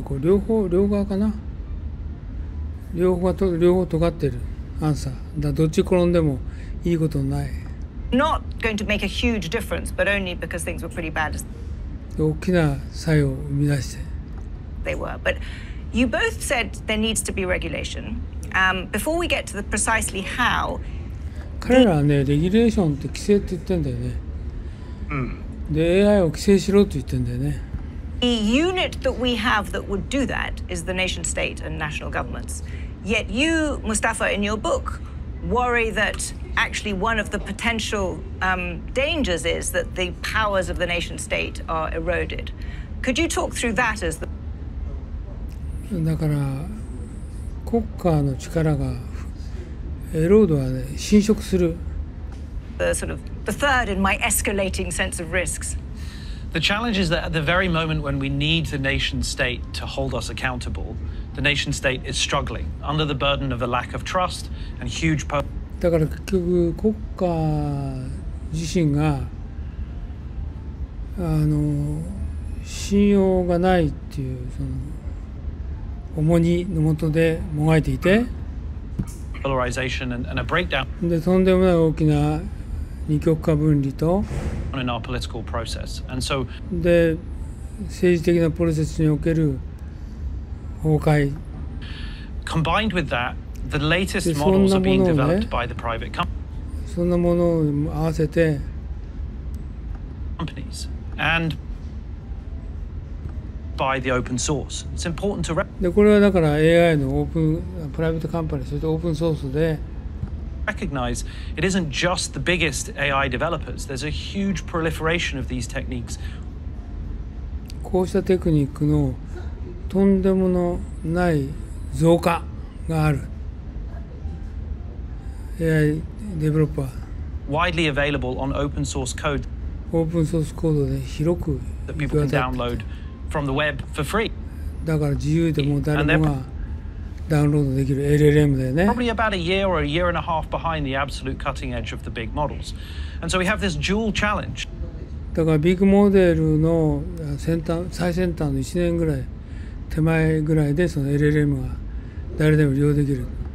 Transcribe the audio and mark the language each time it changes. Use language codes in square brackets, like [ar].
[ja] ダブルエッジってこう両方かな両方尖ってるアンサーだどっち転んでもいいことない [en] Not going to make a huge difference, but only because things were pretty bad [ja] 大きな作用を生み出して [en] They were, but you both said there needs to be regulation. Before we get to the precisely how, [ja] 彼らはね、レギュレーションって規制って言ってんだよね。うん。で、AI を規制しろって言ってんだよね。 [en] The unit that we have that would do that is the nation state and national governments. Yet you, Mustafa, in your book, worry that actually one of the potential dangers is that the powers of the nation state are eroded. Could you talk through that as the... [ja] だから、国家の力がエロードはね、侵食する。 [en] The sort of the third in my escalating sense of risks. The challenge is that at the very moment when we need the nation state to hold us accountable, the nation state is struggling under the burden of a lack of trust and huge. [ja] だから結局国家自身が信用がないっていうその重荷のもとでもがいていて。 [en] Polarization and a breakdown. [ja] で、とんでもない大きな二極化分離と。 [en] In our political process. And so, [ja] で、政治的なプロセスにおける崩壊。 [en] Combined with that, the latest models are being developed by the private companies. [ja] そんなものを合わせて。 [en] Companies. And by the open source. It's important to [ja] でこれはだから AI のオープンプライベートカンパニー、それとオープンソースで。 [en] Recognize it isn't just the biggest AI developers. There's a huge proliferation of these techniques. [ja] こうしたテクニックのとんでもない増加がある。 AI デベロッパー。 [en] Widely available on open source code. [ja] オープンソースコードで広く。 [en] That people can download from the web for free. [ja] だから自由でもう誰もがダウンロードできる LLM だよね。 [en] Probably about a year or a year and a half behind the absolute cutting edge of the big models. And so we have this dual challenge. [ja] だからビッグモデルの最先端の1年ぐらい手前ぐらいでその LLM が誰でも利用できる。